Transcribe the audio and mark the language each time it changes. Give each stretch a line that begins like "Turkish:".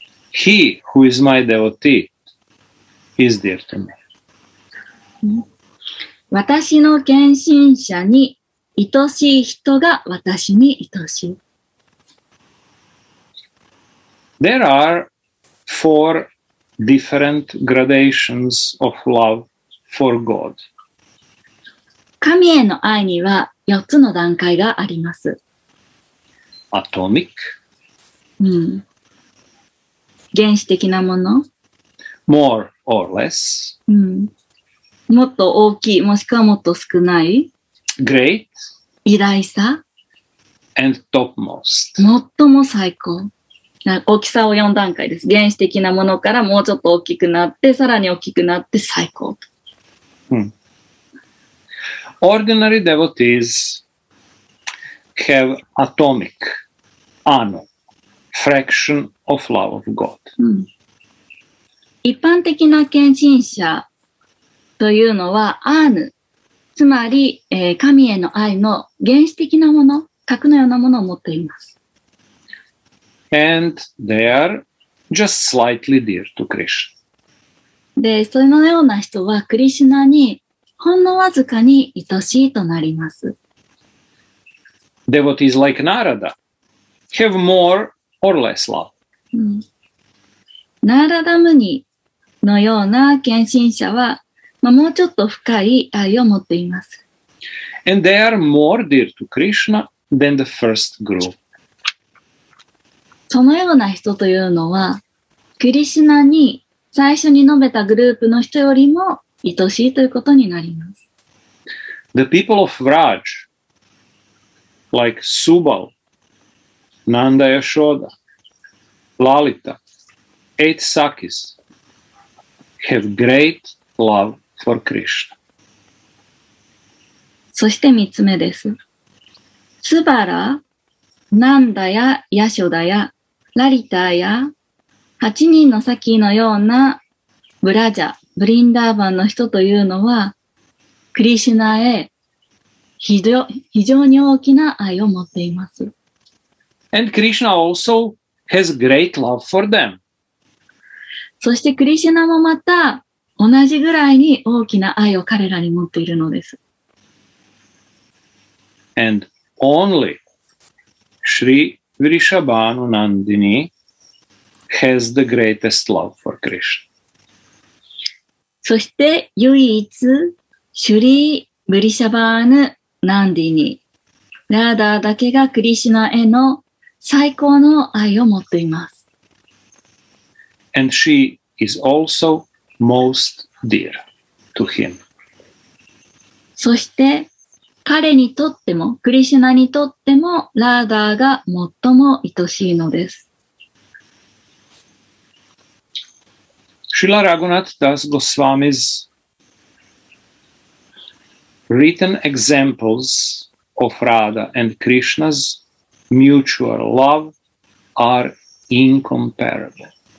English: He who is my devotee is dear to me.
Japanese: 私の献身者に愛しい人が私に愛しい。
English: There are four different gradations of love for God.
Japanese: 神への愛には4つの段階があります。アトミック。うん。原始的なもの。
English: More or less。
Japanese: うん。もっと大きい、もしくはもっと少ない。
English: Great。
Japanese: 偉大さ。
English: And topmost。
Japanese: 最も最高。大きさを4段階です。原始的なものからもうちょっと大きくなって、さらに大きくなって最高。うん。
English: Ordinary devotees have atomic, ano, fraction of love of God.、
Japanese: うん、一般的な献身者というのは、アーヌ、つまり、神への愛の原始的なもの、核のようなものを持っています。
English: And they are just slightly dear to Krishna.
Japanese: で、そのような人は、クリシュナにほんのわずかに愛しいとなります。
English: Devotees like Narada have more or less love. 、
Japanese: うん、ナーラダムニのような献身者は、まあ、もうちょっと深い愛を持っています。
English: And they are more dear to Krishna than the first group.
Japanese: そのような人というのは、クリシュナに最初に述べたグループの人よりも愛しいということになります。
English: The people of Vraj, like Subal, Nanda Yashoda, Lalita, Eight Sakis, have great love for Krishna.
Japanese: そして三つ目です。スバラ、ナンダやヤショダや、ラリタや、八人のサキのようなブラジャ、ブリンダーバンの人というのは、クリシュナへ非常に大きな愛を持っています。
English: And Krishna also has great love for them.
Japanese: そしてクリシュナもまた同じぐらいに大きな愛を彼らに持っているのです。
English: And only Sri Vrishabhanu Nandini has the greatest love for Krishna.
Japanese: そして唯一シュリー・ブリシャバーヌ・ナンディニラーダーだけがクリシュナへの最高の愛を持っています。
English: And she is also most dear to him.
Japanese: そして彼にとってもクリシュナにとってもラーダーが最も愛しいのです。
English: Srila Raghunath Das Goswami's written examples of Radha and Krishna's mutual love are incomparable.